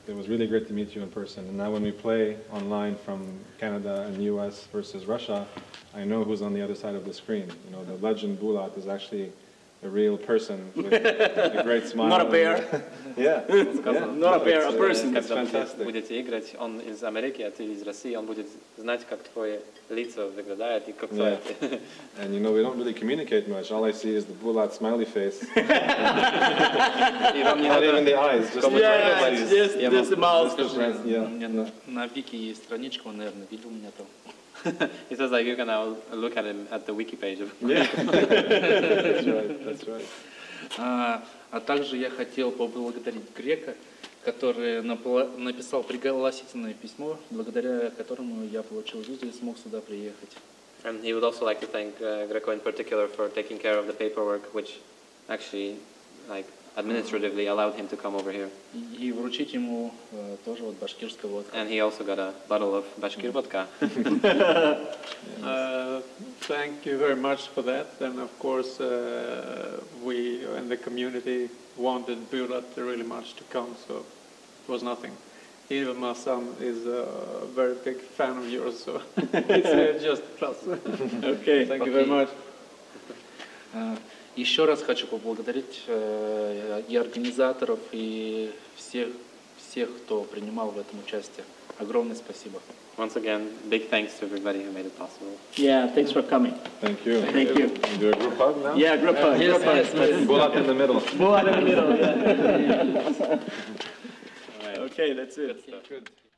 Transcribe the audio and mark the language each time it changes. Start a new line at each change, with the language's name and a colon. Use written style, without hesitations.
English: It was really great to meet you in person. And now when we play online from Canada and US versus Russia, I know who's on the other side of the screen. You know, the legend Bula is actually a real person with a great smile. Not a bear. Yeah. Not a bear, a person. It's fantastic.
Russian: Будете играть, он из Америки, а ты из России, он будет знать, как твое лицо выглядит и как твое.
English: And you know, we don't really communicate much. All I see is the Bulat smiley face. Not even the eyes, just the mouth.
Russian: На Вики есть страничка, он, наверное, видел меня там.
English: He says, like, you can now look at him at the wiki page. Yeah. That's right.
Russian: Также я хотел поблагодарить Грека, который написал пригласительное письмо, благодаря которому я получил визу и смог сюда приехать.
English: And he would also like to thank Greco in particular for taking care of the paperwork, which actually, like, administratively allowed him to come over here.
Russian: И вручить ему тоже вот башкирскую водку.
English: And he also got a bottle of Bashkir vodka. Thank you very much for that. And of course, we and the community wanted Bulat really much to come, so it was nothing. Even my son is a very big fan of yours, so it's just plus. Okay, thank you very much.
Russian: Еще раз хочу поблагодарить и организаторов, и всех, кто принимал в этом участие. Огромное спасибо.
English: Once again, big thanks to everybody who made it possible. Yeah, thanks for coming. Thank you. Thank you. Do a group hug now? Yeah, group hug. Yes, yes, yes. Bulat in the middle. Bulat in the middle, yeah. All right. Okay, that's it. That's good.